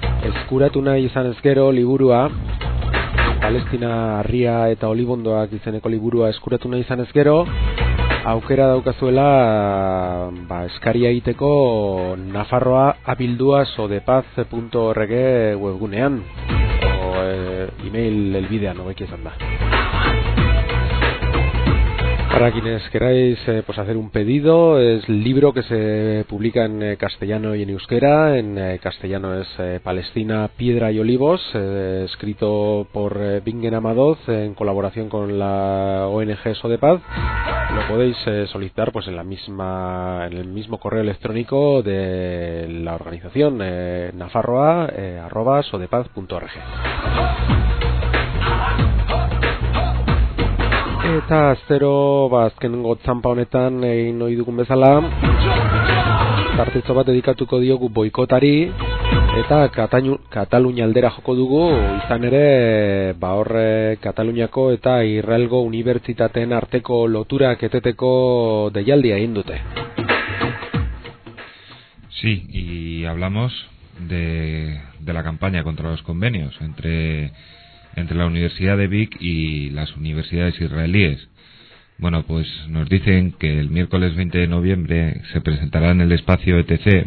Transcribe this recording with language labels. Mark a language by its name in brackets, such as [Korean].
[Basque] Eskuratu nahi izan ezkero liburua, Palestina harria eta olibondoak izeneko liburua eskuratu nahi izan ezkero, aukera daukazuela ba, eskaria egiteko Nafarroa abildua sodepaz.org webgunean o e-mail elbidean hobeki izan da. [Spanish] Para quienes queráis pues hacer un pedido, es libro que se publica en castellano y en euskera. En castellano es Palestina, Piedra y Olivos, escrito por Bingen Amadoz en colaboración con la ONG Sodepaz. Lo podéis solicitar pues en la misma, en el mismo correo electrónico de la organización, nafarroa@sodepaz.org. [Basque] Eta astero azkenengo txampa honetan egin ohi dugun bezala, tartezo bat dedikatuko diogu boikotari eta Katalunia aldera joko dugu, izan ere ba horre Kataluniako eta Israelgo unibertsitateen arteko loturak eteteko deialdia egin dute. [Spanish] Sí, y hablamos de la campaña contra los convenios entre la Universidad de Vic y las universidades israelíes. Bueno, pues nos dicen que el miércoles 20 de noviembre se presentará en el espacio ETC.